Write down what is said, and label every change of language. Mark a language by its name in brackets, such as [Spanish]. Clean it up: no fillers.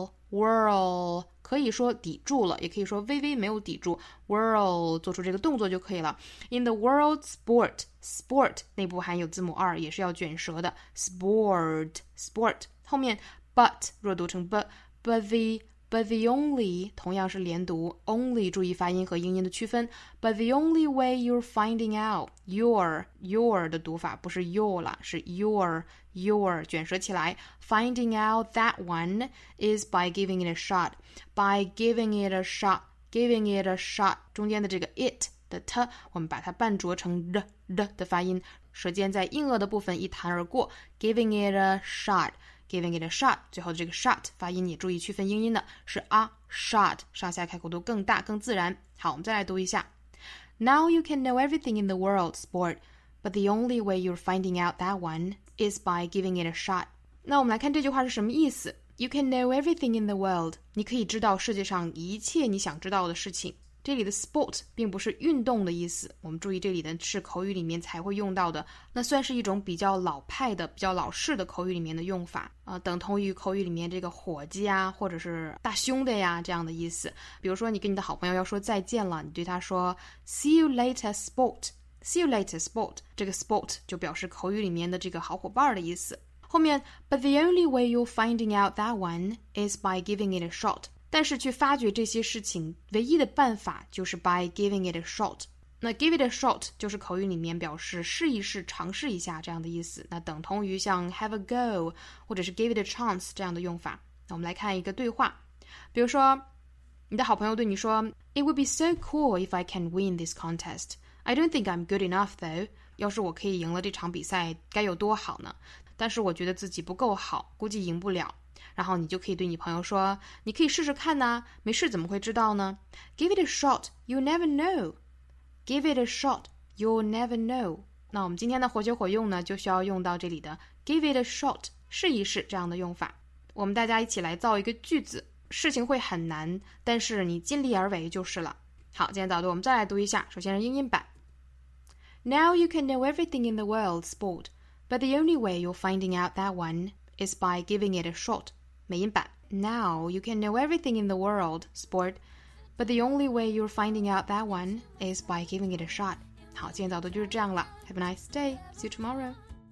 [Chinese] world, 可以说抵住了，也可以说微微没有抵住 world, 做出这个动作就可以了 [English] in the world sport, [Chinese] 内部含有字母二，也是要卷舌的 sport, 后面 but, 若读成 [English] but the only, 同样是连读 only, 注意发音和英音的区分 but the only way you're finding out your [Chinese] 的读法不是 your 了，是 your [English] your [Chinese] 卷舌起来 [English] finding out that one is by giving it a shot. By giving it a shot, [Chinese] giving it a shot, 中间的这个 it 的 t, 我们把它半浊成 r, r 的发音，舌尖在硬腭的部分一弹而过， giving it a shot, giving it a shot, 最后的这个 shot 发音也注意区分音音的是 a shot, 上下开口度更大更自然。好，我们再来读一下。 [English] Now you can know everything in the world, sport, but the only way you're finding out that one is by giving it a shot. [Chinese] 那我们来看这句话是什么意思。 [English] You can know everything in the world. [Chinese] 你可以知道世界上一切你想知道的事情。这里的 sport 并不是运动的意思，我们注意这里的是口语里面才会用到的，那算是一种比较老派的比较老式的口语里面的用法、等同于口语里面这个伙计啊或者是大兄弟呀、这样的意思。比如说你跟你的好朋友要说再见了，你对他说 [English] See you later sport, [Chinese] See you later sport, 这个 sport 就表示口语里面的这个好伙伴的意思。 [English] 后面 But the only way you're finding out that one is by giving it a shot, [Chinese] 但是去发掘这些事情唯一的办法就是 [English] by giving it a shot。 [Chinese] 那 give it a shot 就是口语里面表示试一试尝试一下这样的意思，那等同于像 [English] have a go [Chinese] 或者是 [English] give it a chance [Chinese] 这样的用法。那我们来看一个对话，比如说你的好朋友对你说 [English] It would be so cool if I can win this contest. I don't think I'm good enough though. [Chinese] 要是我可以赢了这场比赛该有多好呢，但是我觉得自己不够好，估计赢不了。然后你就可以对你朋友说，你可以试试看呐、没试怎么会知道呢？ [English] Give it a shot, you never know. Give it a shot, you never know. [Chinese] 那我们今天的活学活用呢，就需要用到这里的 [English] Give it a shot, [Chinese] 试一试这样的用法。我们大家一起来造一个句子，事情会很难，但是你尽力而为就是了。好，今天早读我们再来读一下，首先是英音版。 [English] Now you can know everything in the world, sport, but the only way you're finding out that oneis by giving it a shot. [Chinese] 美音版。 [English] Now you can know everything in the world, sport, but the only way you're finding out that one is by giving it a shot. [Chinese] 好，今天早读就是这样了。 [English] Have a nice day. See you tomorrow.